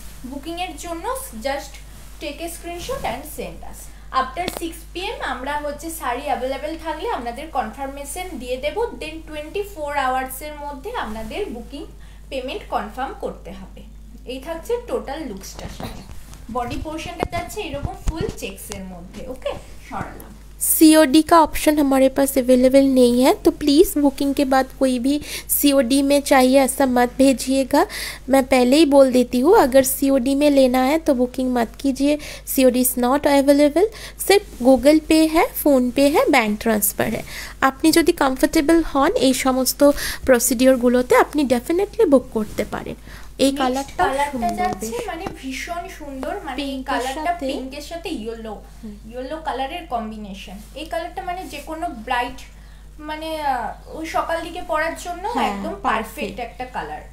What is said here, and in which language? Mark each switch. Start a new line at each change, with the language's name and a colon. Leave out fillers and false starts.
Bangla: বুকিংয়ের জন্য
English: Just take a screenshot and send us after 6 PM।
Bangla: আমরা হচ্ছে শাড়ি অ্যাভেলেবেল থাকলে আপনাদের কনফার্মেশন দিয়ে দেবো, দেন 24 আওয়ার্সের মধ্যে আপনাদের বুকিং পেমেন্ট কনফার্ম করতে হবে। এই থাকছে টোটাল লুকসটা, বডি পোর্শনটা যাচ্ছে এরকম ফুল চেকসের মধ্যে। ওকে, সরালাম।
Hindi: COD का ऑप्शन हमारे पास अवेलेबल नहीं है, तो प्लीज़ बुकिंग के बाद कोई भी COD में चाहिए ऐसा मत भेजिएगा। मैं पहले ही बोल देती हूँ अगर COD में लेना है तो बुकिंग मत कीजिए,
English: COD is not available.
Hindi: सिर्फ गूगल पे है, फ़ोन पे है, बैंक ट्रांसफ़र है।
Bangla: আপনি যদি কমফর্টেবল হন এই সমস্ত প্রসিডিওরগুলোতে আপনি ডেফিনেটলি বুক করতে পারেন। এই কালারটা যাচ্ছে মানে ভীষণ সুন্দর, মানে এই কালারটা পিঙ্কের সাথে ইয়েলো ইয়েলো কালারের কম্বিনেশন। এই কালারটা মানে যে কোনো ব্রাইট মানে ওই সকাল দিকে পরার জন্য একদম পারফেক্ট একটা কালার।